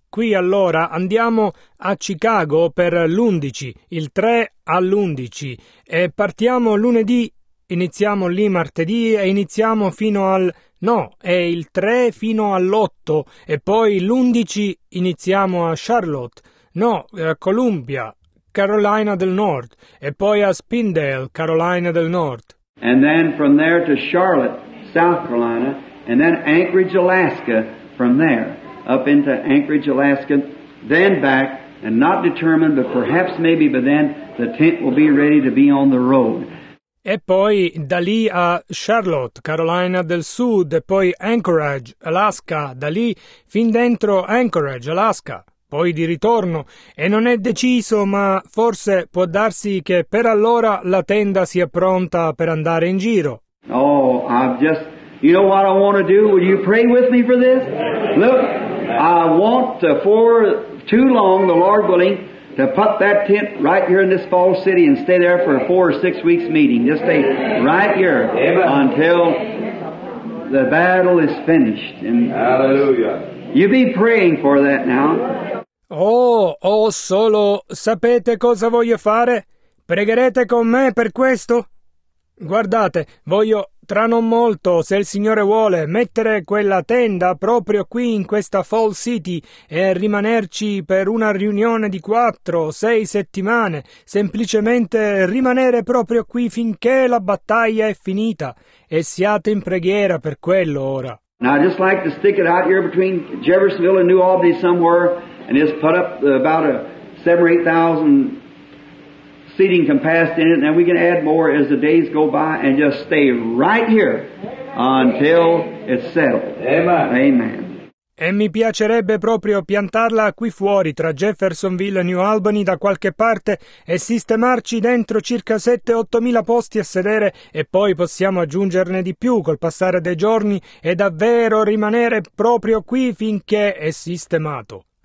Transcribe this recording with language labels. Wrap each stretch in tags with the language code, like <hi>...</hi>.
<it>Qui allora andiamo a Chicago per l'11, il 3 all'11 e partiamo lunedì, iniziamo lì martedì e iniziamo fino al... no, è il 3 fino all'8 e poi l'11 iniziamo a Charlotte, no, a Columbia, Carolina del Nord e poi a Spindale, Carolina del Nord.</it> <en>And then from there to Charlotte, South Carolina, and then Anchorage, Alaska from there. Up into Anchorage, Alaska, then back, and not determined, but perhaps maybe by then the tent will be ready to be on the road.</en> <it>E poi da lì a Charlotte, Carolina del Sud, e poi Anchorage, Alaska, da lì fin dentro Anchorage, Alaska, poi di ritorno. E non è deciso, ma forse può darsi che per allora la tenda sia pronta per andare in giro.</it> <en>Oh, you know what I want to do? Will you pray with me for this? Look. I want to, for too long, the Lord willing, to put that tent right here in this fall city and stay there for 4 or 6 weeks meeting. Just stay right here until the battle is finished. And hallelujah. You be praying for that now.</en> <it>Oh, solo sapete cosa voglio fare? Pregherete con me per questo? Guardate, voglio... Tra non molto, se il Signore vuole, mettere quella tenda proprio qui in questa Fall City e rimanerci per una riunione di 4 o 6 settimane, semplicemente rimanere proprio qui finché la battaglia è finita e siate in preghiera per quello ora.</it> <en>Now I'd just like to stick it out here between Jeffersonville and New Albany somewhere and just put up about a 7 or 8,000 seating capacity in it, and we can add more as the days go by, and just stay right here until it's settled. Amen. Amen.</en> <it>E mi piacerebbe proprio piantarla qui fuori, tra Jeffersonville e New Albany, da qualche parte, e sistemarci dentro circa 7-8 mila posti a sedere, e poi possiamo aggiungerne di più col passare dei giorni, e davvero rimanere proprio qui finché è sistemato.</it>